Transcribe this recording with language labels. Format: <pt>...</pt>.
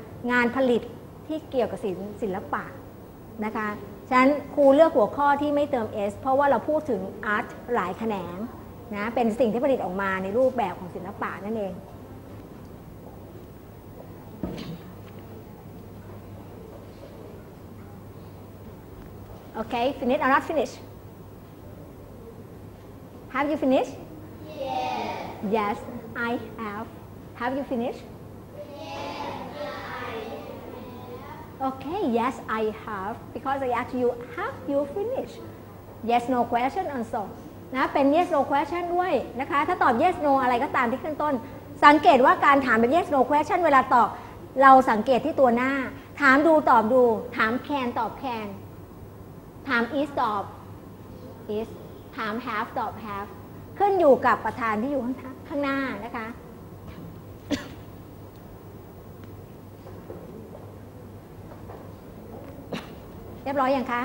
<th>งานผลิตที่เกี่ยวกับศิลปะนะคะฉันครูเลือกหัวข้อที่ไม่เติม S เพราะว่าเราพูดถึงอาร์ตหลายแขนงนะเป็นสิ่งที่ผลิตออกมาในรูปแบบของศิลปะนั่นเองโอเค</th> <en>finish or not finish have you finish yes I have you finish Okay, yes, I have. Because I asked you, have you finished? Yes, no question, answer.</en> <th>นะเป็น</th> <en>yes, no question</en> <th>ด้วยนะคะถ้าตอบ yes, no อะไรก็ตามที่ขึ้นต้นสังเกตว่าการถามแบบ yes, no question เวลาตอบเราสังเกตที่ตัวหน้าถามดูตอบดูถาม can ตอบ can ถาม is ตอบ is ถาม have ตอบ have ขึ้นอยู่กับประธานที่อยู่ข้างหน้านะคะเรียบร้อยยังคะ</th>